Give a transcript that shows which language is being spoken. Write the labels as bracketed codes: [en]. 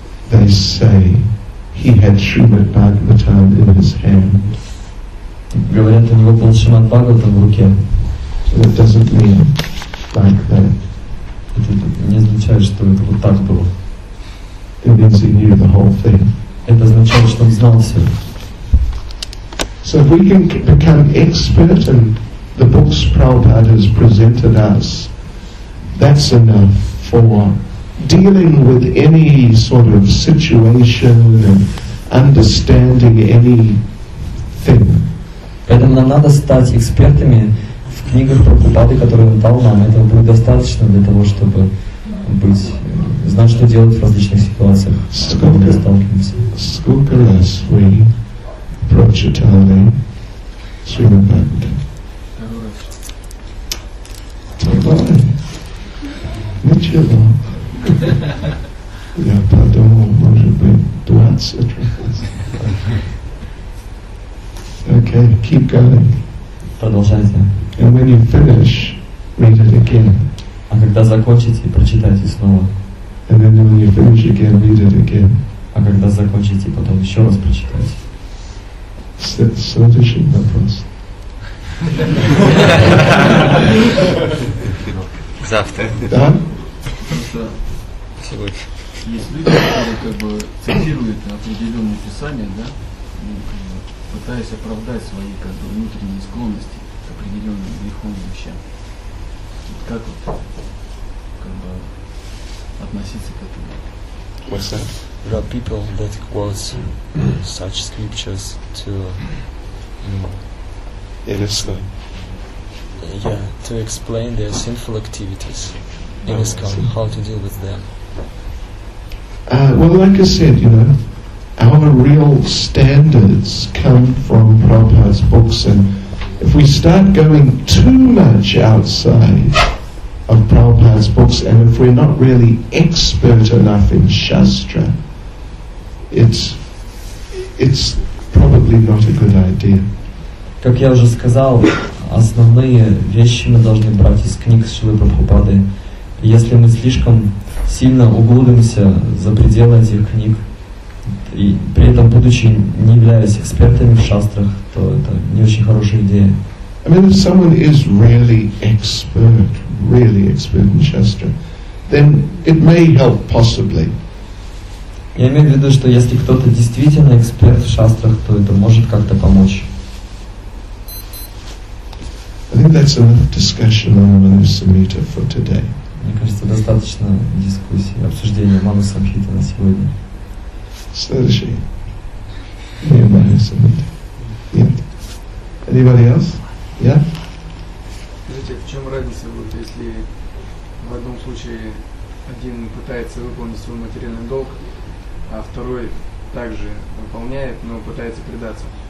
[en] They say he had Srimad Bhagavatam in his hand. [ru] Говорят, у него был Шримад Бхагаватам в руке. [en] But it doesn't mean like that. [ru] Это не означает, что это вот так было. [en] It means he knew the whole thing. [ru] Это означает, что он знал все. [en] So if we can become expert in the books Prabhupada has presented us, that's enough for dealing with any sort of situation and understanding anything. [ru] Поэтому нам надо стать экспертами в книгах Прабхупады, которые он дал нам. Этого будет достаточно для того, чтобы быть, знать, что делать в различных ситуациях, когда сталкиваемся. Сколько раз вы прочитали Шримад-Бхагаватам? Ничего. Я подумал, может быть, 20 раз. [en] Okay, keep going. [ru] Продолжайте. [en] And when you finish, read it again. [ru] А когда закончите, прочитайте снова. [en] And then when you finish again, read it again. [ru] А когда закончите, потом еще раз прочитайте. Следующий вопрос. Завтра. Да? Сегодня. Есть люди, которые как бы цитируют определенные писания, да? Пытаясь оправдать свои как бы внутренние склонности к определенным греховным вещам. Вот как вот как бы относиться к этому? [en] What's that? There are people that quote such scriptures to Ирисхан. Yeah, to explain their sinful activities in ISKCON, how to deal with them. Well, like I said, you know, our real standards come from Prabhupada's books, and if we start going too much outside of Prabhupada's books, and if we're not really expert enough in Shastra, it's probably not a good idea. [ru] Как я уже сказал, основные вещи мы должны брать из книг Шрилы Прабхупады. Если мы слишком сильно углубимся за пределы этих книг, и при этом будучи не являясь экспертами в шастрах, то это не очень хорошая идея. [en] I mean, if someone is really expert in Shastra, then it may help possibly. [ru] Я имею в виду, что если кто-то действительно эксперт в шастрах, то это может как-то помочь. [en] I think that's enough discussion on Manusamhita for today. [ru] Мне кажется, достаточно дискуссии, обсуждения Манусамхиты на сегодня. Следующий. Не Манусамхита. Нет. [en] Anybody else? Yeah? [ru] Скажите, в чем разница, вот, если в одном случае один пытается выполнить свой материальный долг, а второй также выполняет, но пытается предаться?